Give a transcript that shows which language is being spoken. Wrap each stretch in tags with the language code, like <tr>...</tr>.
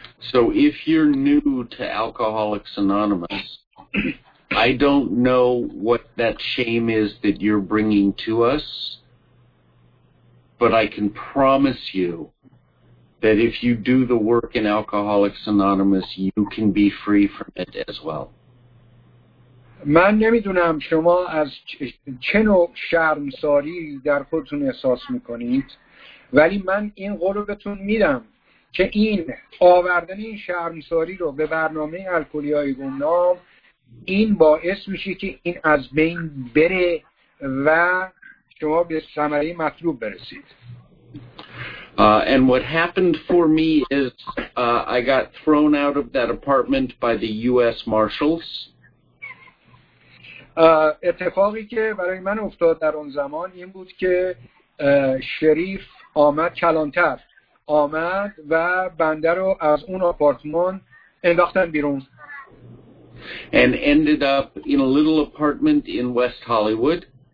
<en>So if you're new to Alcoholics Anonymous, I don't know what that shame is that you're bringing to us, but I can promise you that if you do the work in Alcoholics Anonymous, you can be free from it as well.</en> <fa>من نمیدونم شما از چه نوع شرمساری در خودتون احساس میکنید، ولی من این قول رو بهتون میدم که این آوردن این شرمساری رو به برنامه الکلی های گمنام، این باعث میشه که این از بین بره و شما به ثمره مطلوب برسید.</fa> <en>And what happened for me is I got thrown out of that apartment by the US Marshals.</en> <fa>اتفاقی که برای من افتاد در اون زمان این بود که شریف آمد، کلانتر آمد و بنده رو از اون آپارتمان انداختن بیرون.</fa> <en>And ended up in a little apartment in West Hollywood.</en>